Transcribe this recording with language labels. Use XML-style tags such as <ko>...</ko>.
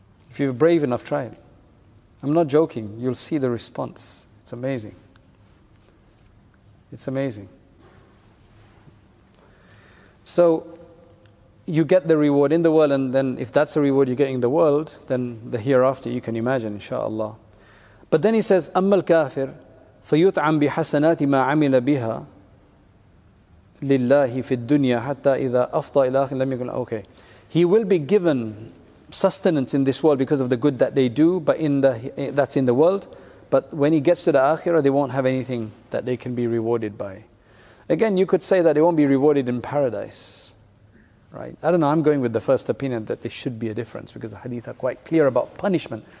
<en>If you're brave enough, try it. I'm not joking, you'll see the response. It's amazing. It's amazing. So, you get the reward in the world, and then if that's the reward you're getting in the world, then the hereafter you can imagine, inshaAllah. But then he says,</en> <ar>أَمَّا الْكَافِرُ فَيُطْعَمْ بِحَسَنَاتِ مَا عَمِلَ بِهَا لِلَّهِ فِي الدُّنْيَا حَتَّى إِذَا أَفْطَأَ إِلَى آخِرٍ لَمْ يَكُنْ.</ar> <en>Okay. He will be given sustenance in this world because of the good that they do, but that's in the world. But when he gets to the akhirah, they won't have anything that they can be rewarded by. Again, you could say that they won't be rewarded in paradise. Right. I don't know, I'm going with the first opinion that there should be a difference because the hadith are quite clear about punishment.</en>